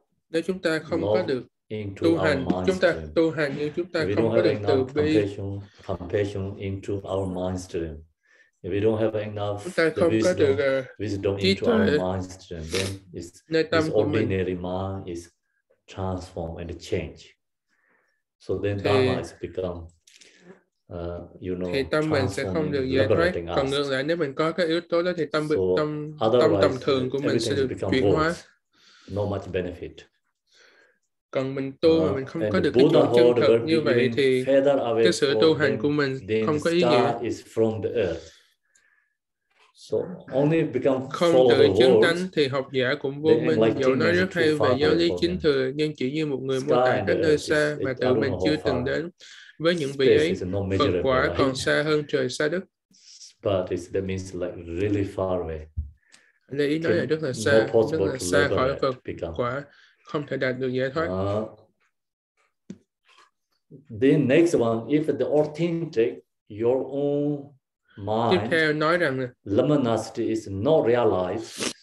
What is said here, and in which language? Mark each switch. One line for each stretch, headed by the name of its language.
Vietnamese: nếu chúng ta không có được tu hành, chúng ta tu hành nhưng chúng ta không có được từ bi,
English: compassion into our mind stream. If we don't have enough wisdom into our mind stream, then it's ordinary mind is transformed and change. So then Dharma has become you know,
Vietnamese: thì tâm mình sẽ không được giải thoát. Còn ngược lại, nếu mình có các yếu tố đó thì tâm tầm thường của mình sẽ được chuyển hóa.
English: No much benefit.
Vietnamese: Còn mình tu mà mình không có được cái chỗ chân thực như vậy thì cái sự tu hành của mình không có ý nghĩa.
English: Is from the earth. So only become
Vietnamese: không tự chứng tánh thì học giả cũng vô minh. Dẫu nói rất hay về giáo lý chính thừa, nhưng chỉ như một người mô tả cách nơi xa mà tự mình chưa từng đến. Với những vị ấy, phần quả còn xa hơn trời xa đất.
English: But it's, that means like really far away.
Vietnamese: Lê ý nói là rất là xa, rất là xa khỏi phần quả, không thể đạt được giải thoát.
English: Then next one, if the authentic, your own mind,
Vietnamese: tiếp theo nói rằng
English: luminosity is not realized,